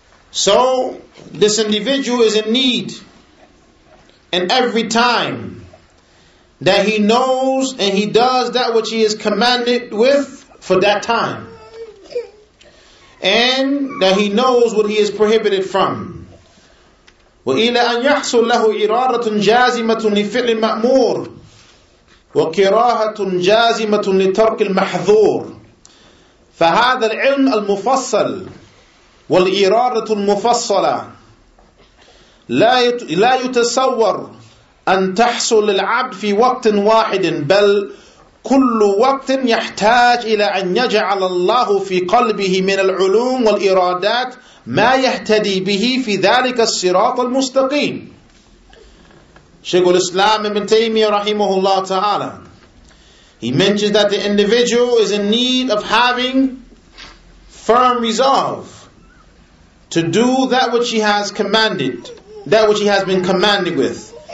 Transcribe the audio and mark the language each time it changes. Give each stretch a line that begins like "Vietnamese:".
English: So, this individual is in need, and every time that he knows and he does that which he is commanded with for that time, and that he knows what he is prohibited from.
Arabic: وإلى أن يحصل له إرادة جازمة لفعل المأمور وكراهة جازمة لترك المحظور فهذا العلم المفصل والإرادة المفصلة لا يتصور أن تحصل للعبد في وقت واحد بل كل وقت يحتاج إلى أن يجعل الله في قلبه من العلوم والإرادات ما يهتدي به في ذلك الصراط المستقيم.
English: شيخ الإسلام ابن تيمية رحمه الله تعالى, he mentions that the individual is in need of having firm resolve to do that which he has commanded, that which he has been commanded with.